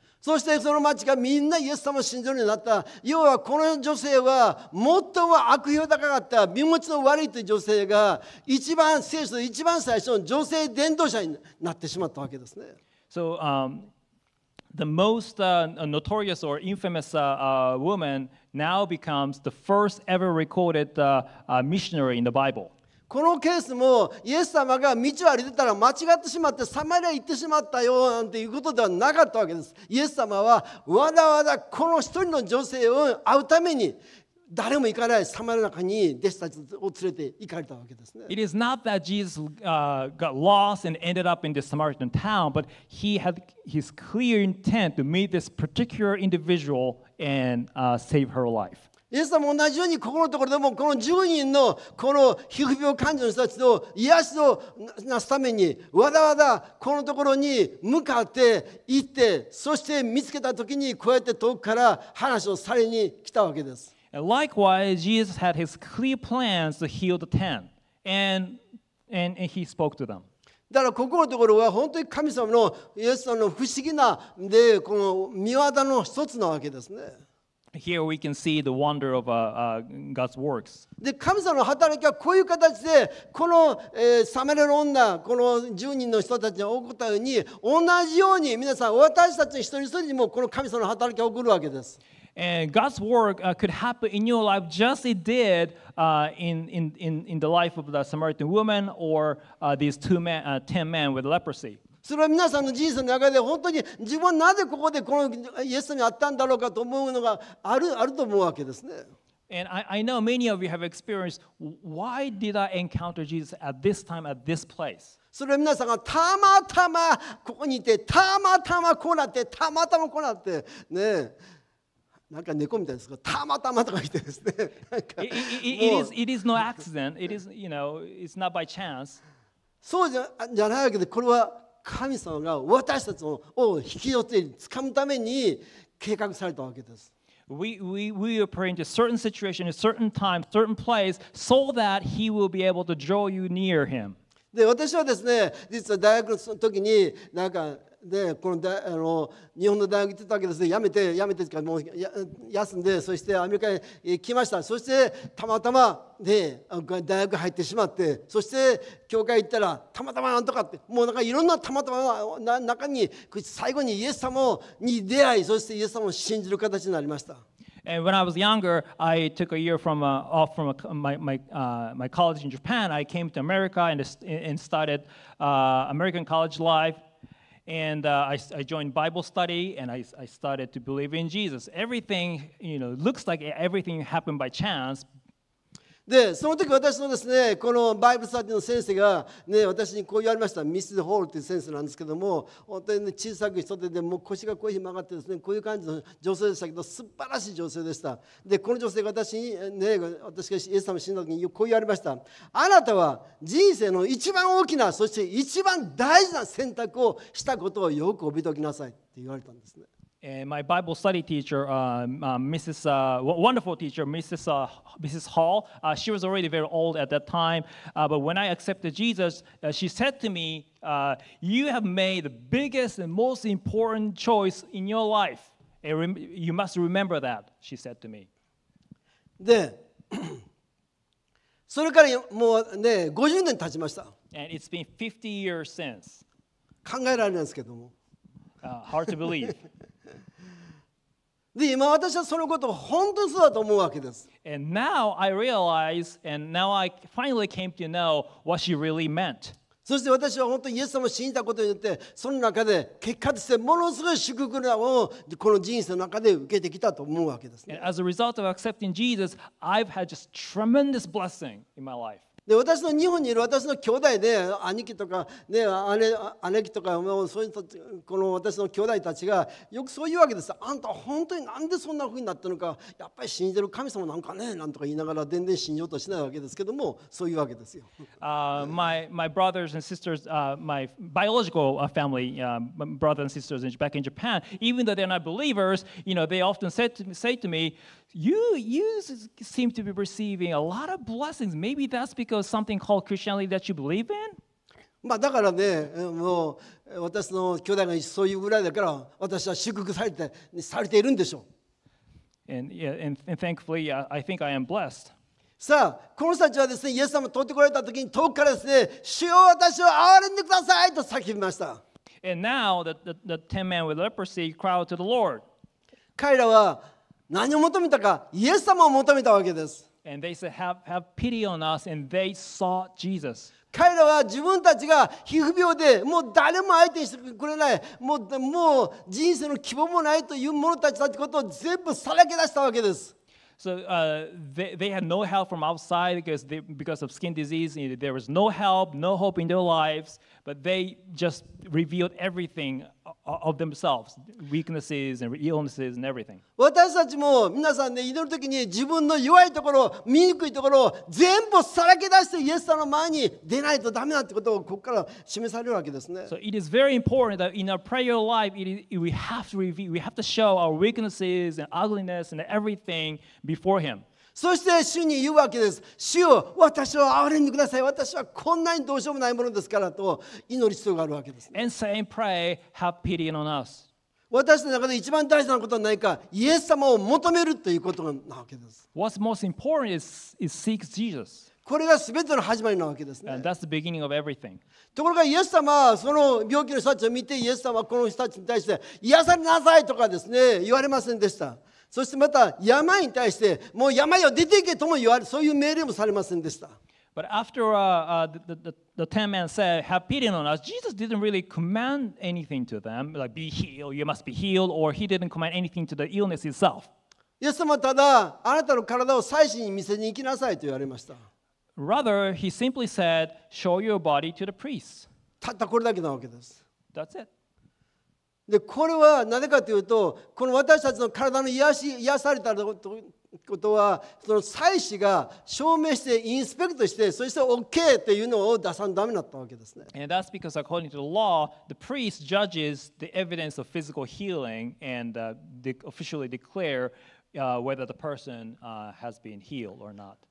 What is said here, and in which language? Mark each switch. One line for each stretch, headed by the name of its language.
Japanese: そしてその町がみんなイエス様を信じるようになった。要はこの女性は最も悪評高かった身持ちの悪いという女性が一番聖書の一番最初の女性伝道者になってしまったわけですね。
English: So, the most notorious or infamous woman now becomes the first ever recorded missionary in the Bible.
Japanese: このケースもイエス様が道を歩いてたら間違ってしまってサマリア行ってしまったよなんていうことではなかったわけです。イエス様はわざわざこの一人の女性を会うために誰も行かないサマリアの中に弟子たちを連れて行かれたわけですね。
English: It is not that Jesus got lost and ended up in the Samaritan town, but he had his clear intent to meet this particular individual and save her life.
Japanese: イエス様も同じようにここのところでもこの10人のこの皮膚病患者の人たちの癒しをなすためにわざわざこのところに向かって行ってそして見つけた時にこうやって遠くから話をされに来たわけです。
English: Likewise, Jesus had his clear plans to heal the ten, and he spoke to them.
Japanese: だからここのところは本当に神様のイエス様の不思議なでこの見業の一つなわけですね。
English: Here we can see the wonder of God's works.
Japanese: で、神様の働きはこういう形で、このサマリアの女、この10人の人たちに起こったように、同じように皆さん、私たち一人一人にもこの神様の働きが起こるわけです。
English: And God's work could happen in your life just as it did in the life of the Samaritan woman or these two men, 10 men with leprosy.
Japanese: それは皆さんの人生の中で本当に自分はなぜここでこのイエス様に会ったんだろうかと思うのがあると思うわけですね。
English: And I know many of you have experienced, why did I encounter Jesus at this time, at this place?
Japanese: それは皆さんがたまたまここにいて、たまたまこうなって、たまたまこうなって、ね、なんか猫みたいですか、たまたまとか言ってですね。
English: It is no accident. It is, you know, it's not by chance.
Japanese: そうじゃないわけで、これは神様が私たちを引き寄せる、掴むために計画されたわけです。
English: We are praying to a certain situation, a certain time, certain place, so that He will be able to draw you near Him.
Japanese: で、私はですね、実は大学の時になんかで、ね、この大あの日本の大学行ってたわけですね。やめてからもう休んで、そしてアメリカに来ました。そしてたまたまで、ね、大学入ってしまって、そして教会行ったらたまたまなんとかって、もうなんかいろんなたまたまの中に最後にイエス様に出会い、そしてイエス様を信じる形になりました。
English: And when I was younger, I took a year from my college in Japan. I came to America and started American college life. And I joined Bible study and I started to believe in Jesus. Everything, you know, looks like everything happened by chance.
Japanese: でその時私のですね、このバイブルスタディの先生がね、私にこう言われました。ミスホールという先生なんですけども、本当に、ね、小さく人で、ね、もう腰がこういうふうに曲がってですね、こういう感じの女性でしたけど、素晴らしい女性でした。でこの女性が私にね、私がイエス様死んだ時にこう言われました。あなたは人生の一番大きな、そして一番大事な選択をしたことをよく覚えておきなさいって言われたんですね。
English: And my Bible study teacher, wonderful teacher, Mrs. Hall, she was already very old at that time. But when I accepted Jesus, she said to me, you have made the biggest and most important choice in your life. And you must remember that, she said to me.
Japanese: それからもうね、50年経ちました。
English: And it's been 50 years since.
Japanese: 考えられないですけども。
English: Hard to believe.
Japanese: で今私はそのことを本当にそうだと思うわけです。
English: And now I realize, and now I finally came to know what she really meant.
Japanese: そして私は本当にイエス様を信じたことによって、その中で結果としてものすごい祝福をこの人生の中で受けてきたと思うわけですね。
English: And as a result of accepting Jesus, I've had just tremendous blessing in my life.
Japanese: で私の日本にいる私の兄弟で、ね、兄貴とか、ね、姉貴とかそういうこの私の兄弟たちがよくそういうわけです。あんた本当になんでそんな風になったのか、やっぱり信じてる神様なんかね、なんとか言いながら全然信じようとしないわけですけども、そういうわけですよ。
English: my brothers and sisters, my biological family, brothers and sisters back in Japan, even though they're not believers, you know, they often say to me,You seem to be receiving a lot of blessings. Maybe that's because something called Christianity that you believe in?
Japanese: まあだからね、もう私の兄弟がそういうぐらいだから、私は祝福されているんでしょう。
English: And, yeah, and thankfully, I think I am blessed.
Japanese: さあ、この人たちはですね、イエス様を通ってこられた時に遠くからですね、主よ、私を憐れんでくださいと叫びました。
English: And now the 10 men with leprosy cried to the Lord.
Japanese: 彼らは何を求めたか、イエス様を求めたわけです。
English: And they said, have pity on us, and they sought Jesus.
Japanese: 彼らは自分たちが皮膚病で、もう誰も相手にしてくれない、もう人生の希望もないという者たちだってことを全部さらけ出したわけです。
English: So, they had no help from outside because of skin disease. There was no help, no hope in their lives, but they just revealed everything. Of themselves, weaknesses and illnesses and everything.
Japanese: 私たちも皆さんね、祈る時に自分の弱いところ、醜いところを全部さらけ出してイエス様の前に出ないとダメだってことをここから示されるわけですね。
English: So it is very important that in our prayer life, we have to show our weaknesses and ugliness and everything before Him.
Japanese: そして主に言うわけです。主よ、私を憐れんでください。私はこんなにどうしようもないものですからと祈る必要があるわけです、ね。
English: And say and pray, have pity on us.
Japanese: 私の中で一番大事なことは何か、イエス様を求めるということなわけです。
English: What's most important is seek Jesus.
Japanese: これが全ての始まりなわけですね。
English: And that's the beginning of everything.
Japanese: ところがイエス様はその病気の人たちを見て、イエス様はこの人たちに対して癒されなさいとかですね、言われませんでした。そしてまた病に対してもう病よ出ていけとも言われそういう命令もされませんでした。
English: But after the ten men said, "Have pity on us," Jesus didn't really command anything to them, like "Be healed," "You must be healed," or he didn't command anything to the illness itself.
Japanese: イエス様はただあなたの体を祭司に見せに行きなさいと言われました。
English: Rather, he simply said, "Show your body to the priest."
Japanese: たったこれだけなわけです。
English: That's it.
Japanese: で、これはなぜかというと、この私たちの体の癒されたと。ことはその祭司が証明してインスペクトしてそして OK っていうのを出さんダメだったわけですね。
English: And that's because according to the law, the priest judges the evidence of physical healing and officially declare whether the person has been healed or not.